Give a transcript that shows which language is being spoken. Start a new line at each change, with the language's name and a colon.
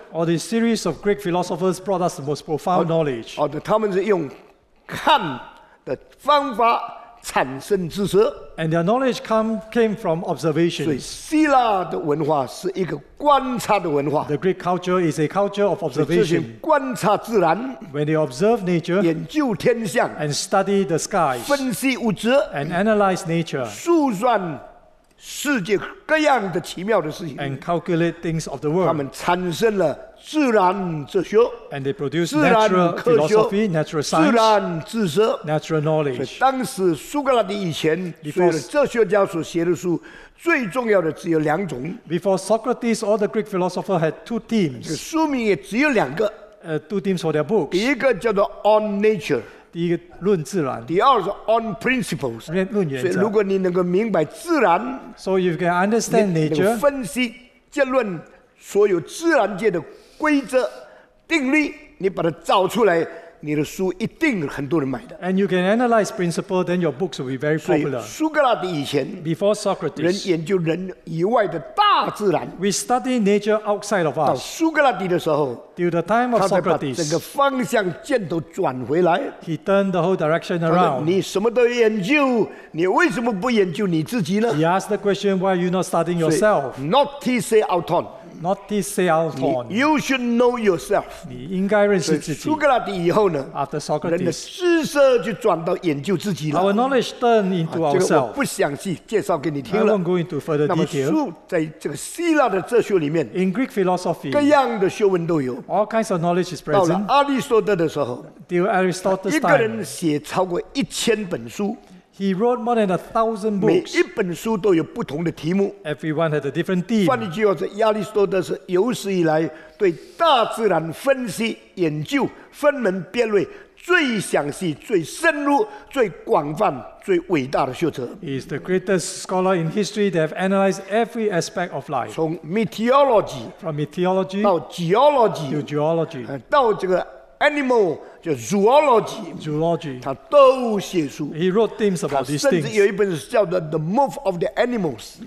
English: Or the series of Greek philosophers brought us the most profound knowledge.
Chinese: 他们是用看的方法产生知识。
English: And their knowledge came from observations.
Chinese: 所以希腊的文化是一个观察的文化。
English: The Greek culture is a culture of observation.
Chinese: 所以这些观察自然。
English: When they observe nature.
Chinese: 研究天象。
English: And study the skies.
Chinese: 分析物质。
English: And analyze nature.
Chinese: 数算世界各样的奇妙的事情
English: and calculate things of the world.
Chinese: 他们产生了自然哲学
English: and they produce natural philosophy, natural science,
Chinese: 自然知识
English: natural knowledge.
Chinese: 所以当时苏格拉底以前所有的哲学家所写的书最重要的只有两种
English: before Socrates all the Greek philosopher had two themes
Chinese: 书名也只有两个
English: two themes for their books
Chinese: 第一个叫做
English: On Nature
Chinese: 第一个论自然，第二是
English: on principles
Chinese: 论原则。所以，如果你能够明白自然
English: ，so you can understand nature，
Chinese: 能分析结论所有自然界的规则定律，你把它找出来，你的书一定很多人买的。
English: And you can analyze principle， then your books will be very popular。
Chinese: 所以，苏格拉底以前
English: ，before Socrates，
Chinese: 人研究人以外的大自然
English: ，we study nature outside of us。
Chinese: 到苏格拉底的时候。
English: Till the time of Socrates,
Chinese: 整个方向箭头转回来
English: he turned the whole direction around.
Chinese: 你什么都研究，你为什么不研究你自己呢
English: He asked the question, "Why are you not studying yourself?" Not T.C. Auton. not this self thorn. You should know yourself.
Chinese: 你应该认识自己。苏格拉底以后呢
English: ？After Socrates,
Chinese: 人的知识就转到研究自己了。
English: Our knowledge turned into ourselves.
Chinese: 这个我不详细介绍给你听了。
English: I won't go into further detail.
Chinese: 那么苏在这个希腊的哲学里面
English: ，In Greek philosophy,
Chinese: 各样的学问都有。
English: All kinds of knowledge is present.
Chinese: 到了阿里士多德的时候
English: ，Till Aristotle's time,
Chinese: 一个人写超过一千本书。
English: He wrote more than 1,000 books.
Chinese: 每一本书都有不同的题目。
English: Everyone had a different theme.
Chinese: 换一句话说，亚里士多德是有史以来对大自然分析研究分门别类最详细、最深入、最广泛、最伟大的学者。
English: He is the greatest scholar in history that have analyzed every aspect of life.
Chinese: 从 meteorology,
English: from meteorology
Chinese: 到 geology,
English: to geology
Chinese: 到这个 animal。Zoology,
English: zoology,
Chinese: 他都写书。
English: He wrote things about these things.
Chinese: 他甚至有一本是叫做
English: 《The Move of the Animals》。